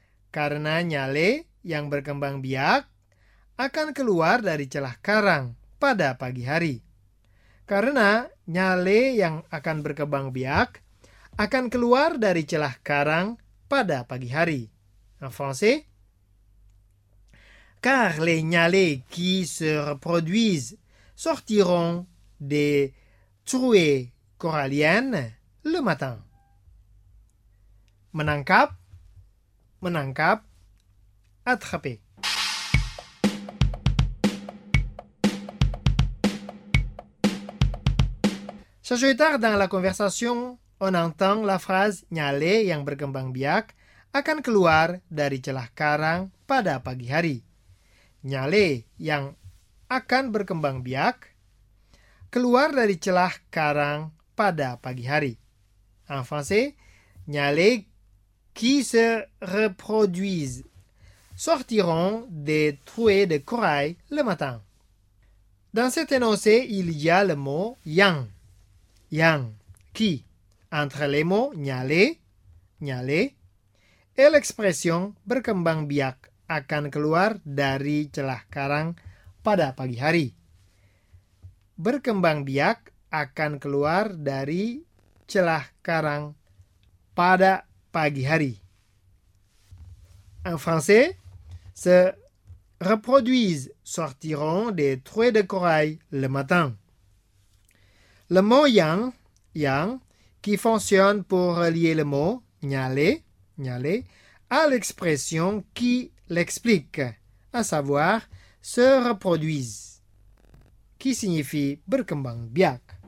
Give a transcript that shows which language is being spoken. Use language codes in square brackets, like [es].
[id] Karena nyale yang berkembang biak akan keluar dari celah karang pada pagi hari. Karena nyale yang akan berkembang biak akan keluar dari celah karang pada pagi hari. [fr] En français. Car les nyale qui se reproduisent sortiront des trouées corallienne le matin. [id] Menangkap, menangkap, attraper. [fr] Chers auditeurs, dans la conversation, on entend la phrase [id] nyale yang berkembang biak akan keluar dari celah karang pada pagi hari. Nyale yang akan berkembang biak keluar dari celah karang pada pagi hari. [fr] En français, nyale qui se reproduisent sortiront des trouées de corail le matin. Dans cet énoncé, il y a le mot yang. [id] Yang, [fr] qui, entre les mots nyale, nyale, et l'expression [id] berkembang biak akan keluar dari celah karang pada pagi hari. berkembang biak akan keluar dari celah karang pada pagi hari. [fr] En français, se reproduisent sortiront des trous de corail le matin. Le mot yang, yang, qui fonctionne pour relier le mot nyale, nyale, à l'expression qui l'explique, à savoir se reproduisent, qui signifie [id] berkembang biak.